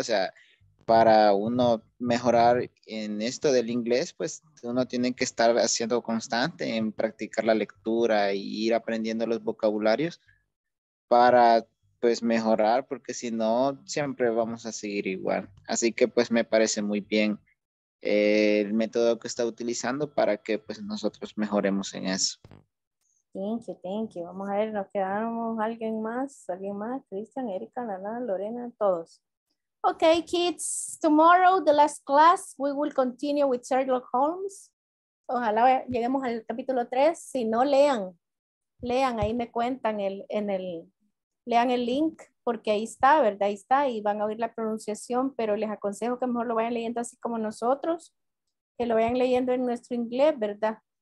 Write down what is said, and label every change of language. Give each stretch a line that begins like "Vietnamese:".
Spanish: O sea, para uno mejorar en esto del inglés, pues uno tiene que estar haciendo constante en practicar la lectura e ir aprendiendo los vocabularios para pues mejorar, porque si no, siempre vamos a seguir igual. Así que pues me parece muy bien el método que está utilizando para que pues nosotros mejoremos en eso.
English: Thank you.
Spanish: Vamos a ver, nos quedamos alguien más, Cristian, Erika, Nana, Lorena, todos.
English: Okay, kids, tomorrow, the last class, we will continue with Sherlock Holmes.
Spanish: Ojalá lleguemos al capítulo 3, si no, lean, ahí me cuentan lean el link, porque ahí está, ¿verdad? Ahí está, y van a oír la pronunciación, pero les aconsejo que mejor lo vayan leyendo así como nosotros, que lo vayan leyendo en nuestro inglés, ¿verdad?